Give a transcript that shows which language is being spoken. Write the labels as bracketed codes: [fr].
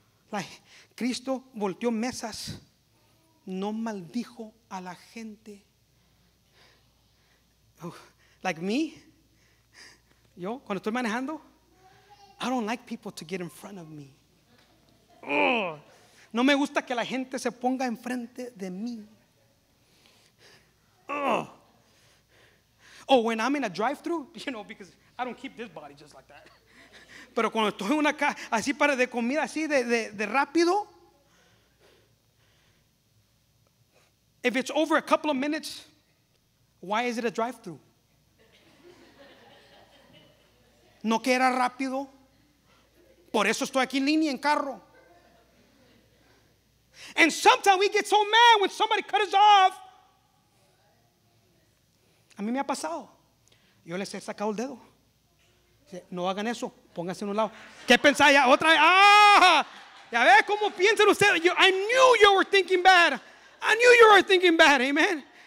[en] Like, [es] Cristo volteó mesas, no maldijo a la gente. [en] Like me, [es] yo, cuando estoy manejando, [en] I don't like people to get in front of me. [es] No me gusta que la gente se ponga enfrente de mí. [en] Oh, when I'm in a drive-thru, you know, because I don't keep this body just like that. [es] Pero cuando estoy en una caja así para de comida, así de rápido, [en] if it's over a couple of minutes, why is it a drive-thru? [es] No que era rápido. Por eso estoy aquí en línea en carro. [en] And sometimes we get so mad when somebody cut us off. [es] A mí me ha pasado. Yo les he sacado el dedo. No hagan eso. Pónganse en un lado. ¿Qué pensáis? Otra vez. ¡Ah! Ya ve cómo piensan ustedes. [en] I knew you were thinking bad. Amen.